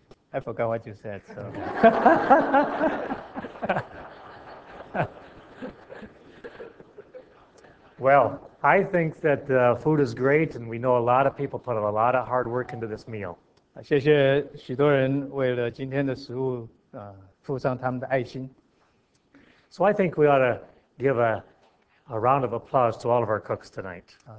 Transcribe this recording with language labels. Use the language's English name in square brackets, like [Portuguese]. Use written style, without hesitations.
[English] I forgot what you said, so. Well, I think that the food is great, and we know a lot of people put a lot of hard work into this meal. [Chinese] 谢谢许多人为了今天的食物付上他们的爱心。 [English] So I think we ought to give a round of applause to all of our cooks tonight.